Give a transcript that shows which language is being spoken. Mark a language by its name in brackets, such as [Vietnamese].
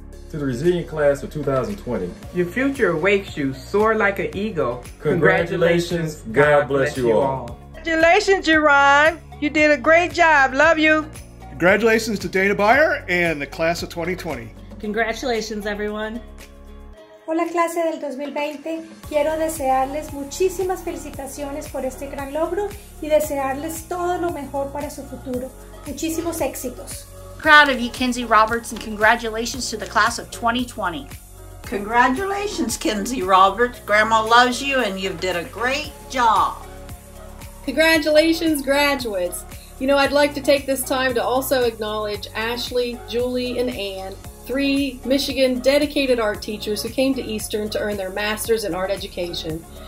[English] To the resilient class of 2020. Your future awakes you, soar like an eagle. Congratulations. God bless you all. Congratulations, Jerron. You did a great job. Love you. Congratulations to Dana Beyer and the class of 2020. Congratulations, everyone. [Spanish] Hola, clase del 2020. Quiero desearles muchísimas felicitaciones por este gran logro y desearles todo lo mejor para su futuro. Muchísimos éxitos. [English] Proud of you, Kinsey Roberts, and congratulations to the class of 2020. Congratulations, Kinsey Roberts. Grandma loves you and you did a great job. Congratulations, graduates. You know, I'd like to take this time to also acknowledge Ashley, Julie, and Anne, three Michigan dedicated art teachers who came to Eastern to earn their master's in art education.